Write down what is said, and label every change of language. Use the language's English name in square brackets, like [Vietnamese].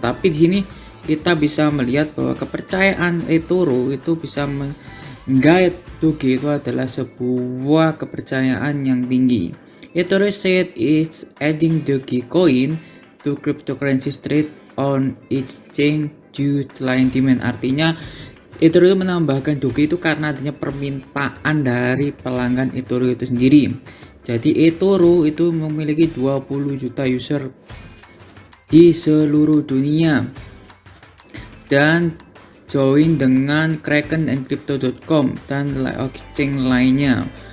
[Indonesian] Tapi di sini kita bisa melihat bahwa kepercayaan eToro itu bisa menggait Doge, itu adalah sebuah kepercayaan yang tinggi. [English] eToro said is adding Dogecoin to cryptocurrency trade on exchange due to client demand. [Indonesian] Artinya eToro itu menambahkan Doge itu karena adanya permintaan dari pelanggan eToro itu sendiri. Jadi eToro itu memiliki 20 juta user di seluruh dunia dan join dengan KrakenEncrypto.com dan exchange lainnya.